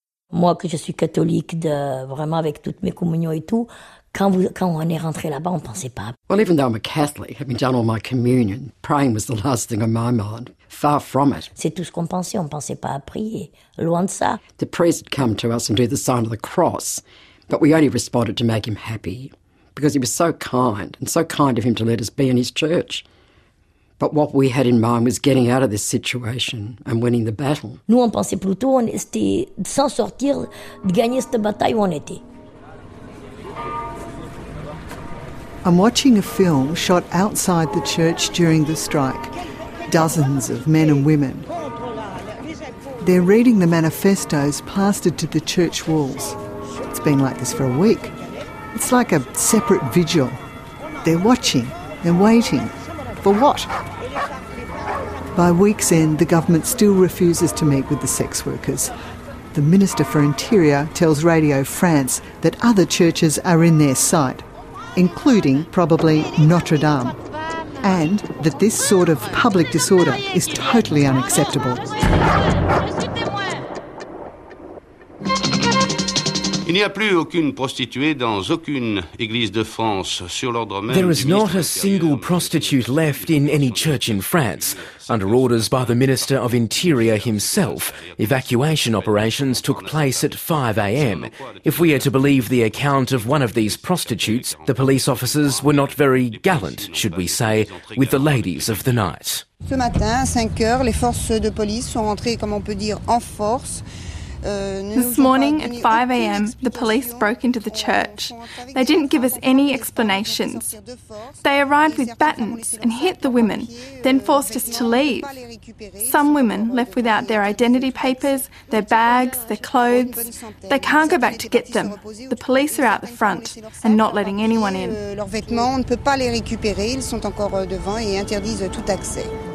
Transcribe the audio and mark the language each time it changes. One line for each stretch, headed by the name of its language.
French: Moi, que je suis catholique, de, vraiment avec toutes mes communions et tout, quand on est rentré là-bas, on pensait pas.
English: Well, even though I'm a Catholic, having done all my communion, praying was the last thing on my mind. Far from it.
French: C'est tout ce qu'on pensait. On pensait pas à prier. Loin de ça.
English: The priest had come to us and do the sign of the cross, but we only responded to make him happy, because he was so kind, and so kind of him to let us be in his church. But what we had in mind was getting out of this situation and winning the battle.
French: Nous, on pensait plutôt, on était de s'en sortir, de gagner cette bataille où on était.
English: I'm watching a film shot outside the church during the strike. Dozens of men and women. They're reading the manifestos plastered to the church walls. It's been like this for a week. It's like a separate vigil. They're watching, they're waiting. For what? By week's end, the government still refuses to meet with the sex workers. The Minister for Interior tells Radio France that other churches are in their sight, including, probably, Notre Dame, and that this sort of public disorder is totally unacceptable.
French: Il n'y a plus aucune prostituée dans aucune église de France sur l'ordre même.
English: There is not a single prostitute left in any church in France. Under orders by the Minister of Interior himself, evacuation operations took place at 5 a.m. If we are to believe the account of one of these prostitutes, the police officers were not very gallant, should we say, with the ladies of the night.
French: Ce matin, à 5 h, les forces de police sont rentrées, comme on peut dire, en force.
English: This morning at 5 a.m, the police broke into the church. They didn't give us any explanations. They arrived with batons and hit the women, then forced us to leave. Some women left without their identity papers, their bags, their clothes. They can't go back to get them. The police are out the front and not letting anyone in.
French: Leurs vêtements, on ne peut pas les récupérer. Ils sont encore devant et interdisent tout accès.